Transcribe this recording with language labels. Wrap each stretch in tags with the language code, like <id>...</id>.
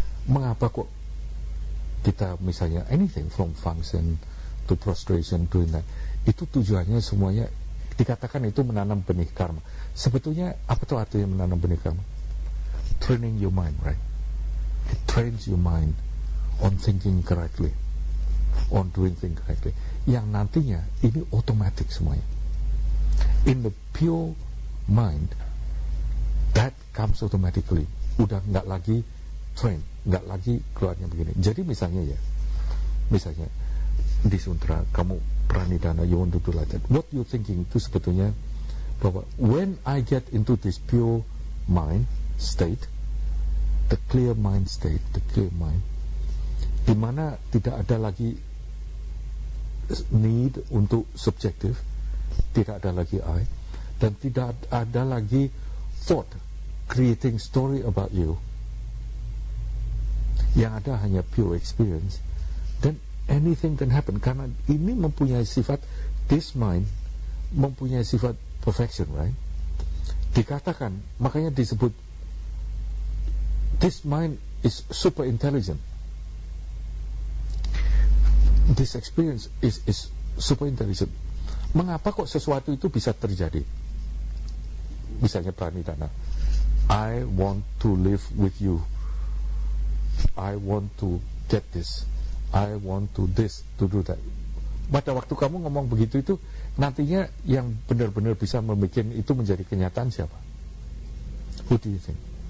<id>Mengapa kok kita misalnya</id> <en>anything from function to prostration to that,</en> <id>itu tujuannya semuanya dikatakan itu menanam benih karma. Sebetulnya apa tuh artinya menanam benih karma?</id> <en>Training your mind, right? It trains your mind on thinking correctly, on doing things correctly.</en> <id>Yang nantinya ini automatic semuanya.</id> <en>In the pure mind, that comes automatically.</en> <id>Udah nggak lagi train, nggak lagi keluarnya begini. Jadi misalnya ya, misalnya di sutra kamu pranidana,</id> <en>you want to do like that. What you thinking</en> <id>itu sebetulnya bahwa</id> <en>when I get into this pure mind state, the clear mind state, the clear mind,</en> <id>di mana tidak ada lagi</id> <en>need untuk subjective, tidak ada lagi I,</en> <id>dan tidak ada lagi</id> <en>thought creating story about you,</en> <id>yang ada hanya</id> <en>pure experience, then anything can happen.</en> <id>Karena ini mempunyai sifat,</id> <en>this mind</en> <id>mempunyai sifat perfection, right? Dikatakan, makanya disebut</id> <en>this mind is super intelligent. This experience is super intelligent.</en> <id>Mengapa kok sesuatu itu bisa terjadi? Misalnya</id> <en>pranidana, I want to live with you, I want to get this, I want to this, to do that.</en> <id>Pada waktu kamu ngomong begitu itu, nantinya yang benar-benar bisa membuat itu menjadi kenyataan siapa?</id> <en>Who do you think?</en>